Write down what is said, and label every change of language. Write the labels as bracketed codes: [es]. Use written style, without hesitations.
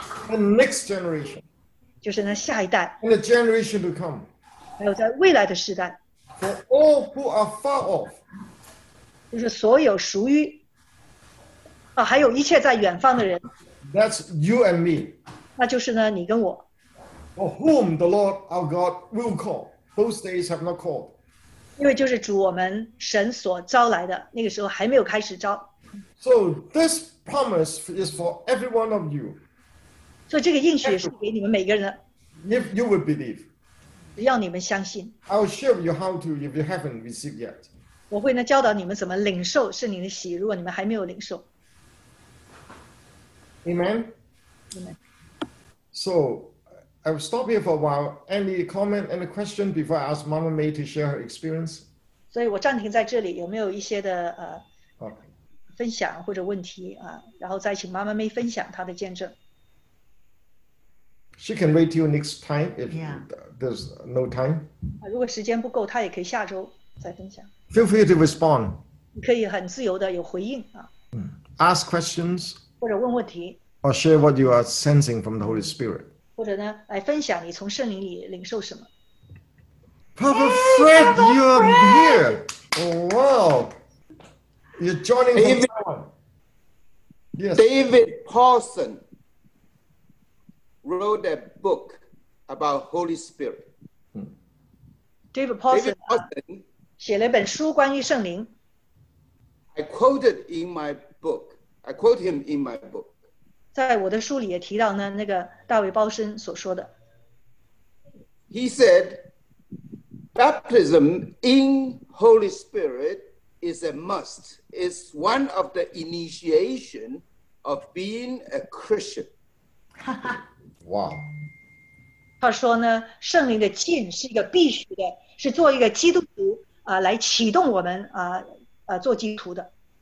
[en] The next generation. [zh] 就是呢下一代。 [en] And the generation to come. [zh] 还有在未来的时代, [en] for all who are far off, [zh] 就是所有属于, 还有一切在远方的人, [en] that's you and me, [zh] 那就是呢, 你跟我, [en] for whom the Lord our God will call, those days have not called. [zh] 因为就是主我们神所招来的, 那个时候还没有开始招。 [en] So this promise is for every one of you. [zh] 所以这个应许是给你们每个人的, [en] if you would believe. [zh] 只要你们相信, [en] I'll share with you how to if you haven't received yet. [zh] 我会呢教导你们怎么领受圣灵的洗, 如果你们还没有领受。 [en] Amen? Amen. So, I will stop here for a while. Any comment, any question before I ask Mama May to share her experience? [zh] 所以我暂停在这里, 有没有一些的, okay. 分享或者问题, 然后再请 Mama May 分享她的见证。 [en] She can wait till next time if there's no time. [zh] 如果时间不够, 她也可以下周再分享。 [en] Feel free to respond. [zh] 你可以很自由地有回应, [en] ask questions. [zh] 或者问问题, [en] or share what you are sensing from the Holy Spirit. [zh] 或者呢, 来分享你从圣灵里领受什么。 [en] Papa Fred, hey, you are here. Oh, wow. You're joining David, us. Yes. David Paulson wrote a book about Holy Spirit. [zh] David Paulson, 写了一本书关于圣灵。 [en] I quote him in my book. [zh] 在我的书里也提到呢，那个大卫鲍森所说的。 [en] He said, baptism in Holy Spirit is a must. It's one of the initiation of being a Christian. Wow. [zh] 他说呢, 圣灵的浸是一个必须的, 是做一个基督徒, 来启动我们, 做基督徒的。